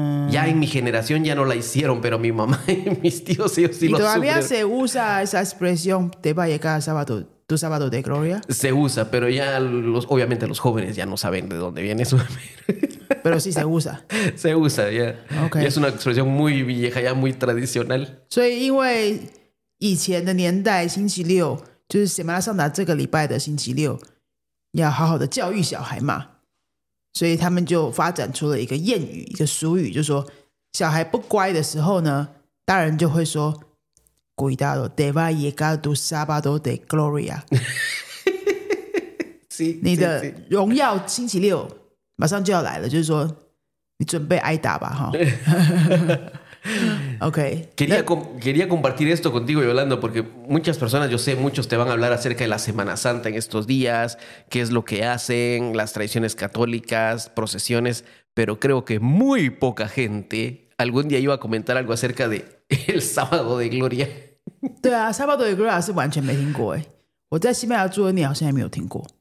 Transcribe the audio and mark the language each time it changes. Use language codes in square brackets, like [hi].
[es] Ya en mi generación ya no la hicieron, pero mi mamá y mis tíos ellos sí lo sufren. ¿Y todavía se usa esa expresión, te va a llegar sábado, tu sábado de gloria? Se usa, pero ya obviamente los jóvenes ya no saben de dónde viene eso. Pero sí se usa. Se usa, ya. Okay. Ya es una expresión muy vieja, ya muy tradicional. [zh] 所以因为以前的年代星期六就是Semana Santa这个礼拜的星期六要好好的教育小孩嘛。所以他们就发展出了一个谚语，一个俗语，就说小孩不乖的时候呢，大人就会说 [es] Cuidado, te va a llegar tu sábado de gloria. Sí, [zh] 你的荣耀星期六马上就要来了，就是说你准备挨打吧，哈。 [es] Ok. Quería compartir esto contigo, Yolando, porque muchas personas, yo sé, muchos te van a hablar acerca de la Semana Santa en estos días, qué es lo que hacen, las tradiciones católicas, procesiones, pero creo que muy poca gente algún día iba a comentar algo acerca de el Sábado de Gloria. [zh] 对啊, Sábado de Gloria 是完全没听过耶。我在西班牙住的你好像也没有听过。